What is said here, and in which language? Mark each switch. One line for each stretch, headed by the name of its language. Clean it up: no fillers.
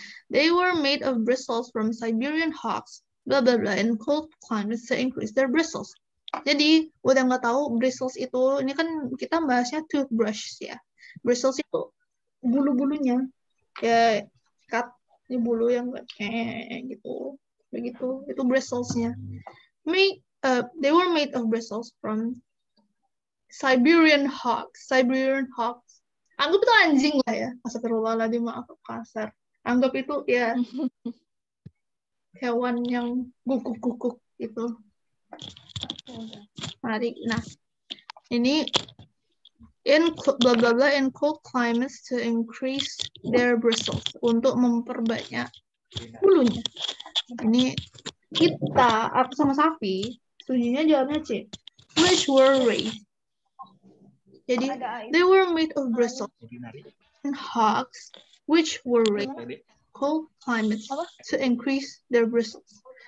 English: They were made of bristles from Siberian hogs, blah blah blah, in cold climates to increase their bristles.
Indonesian: Jadi, buat yang nggak tahu, bristles itu, ini kan kita bahasnya toothbrush ya. Bristles itu bulu-bulunya, ya cut, ini bulu yang gitu, begitu, itu bristlesnya.
English: They were made of bristles from Siberian hogs.
Indonesian: Siberian hogs. Anggap itu anjing lah ya. Astagfirullahaladzim, maaf kasar. Anggap itu ya hewan yang guguk-guguk itu. Mari, nah ini
English: in blah blah blah in cold climates to increase their bristles,
Indonesian: untuk memperbanyak bulunya. Ini kita, aku sama Safi, setujunya jawabnya C.
English: Which were raised.
Indonesian: Jadi,
English: they were made of bristles and hogs, which were raised in cold climates to increase their bristles.